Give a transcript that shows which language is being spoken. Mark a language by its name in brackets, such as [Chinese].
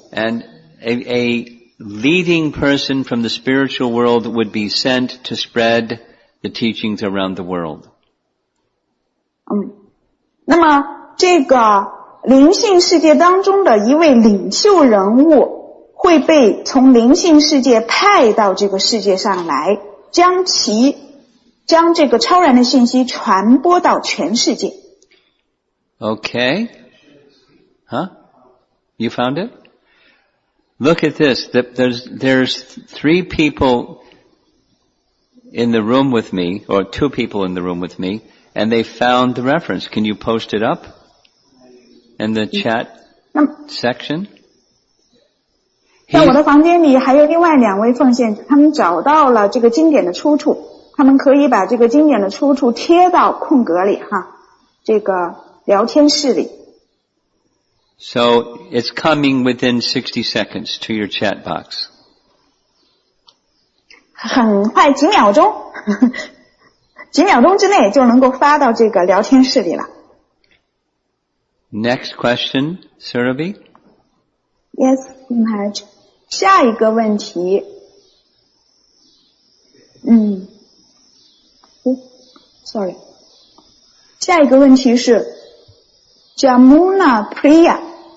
[English] And a leading person from the spiritual world would be sent to spread the teachings around the world. [Chinese] 那么这个灵性世界当中的一位领袖人物会被从灵性世界派到这个世界上来，将这个超然的信息传播到全世界。 [English] Okay. Huh? You found it? Look at this. There's three people in the room with me, or two people in the room with me, and they found the reference. Can you post it up? In the chat section? [Chinese] 在我的房间里还有另外两位奉献，他们找到了这个经典的出处，他们可以把这个经典的出处贴到空格里哈，这个聊天室里。 [English] So it's coming within 60 seconds to your chat box. [Chinese] 很快，几秒钟，几秒钟之内就能够发到这个聊天室里了。 [English] Next question, Surabhi? Yes, Maharaj. [Chinese] 下一个问题，下一个问题是 Jamuna Priya。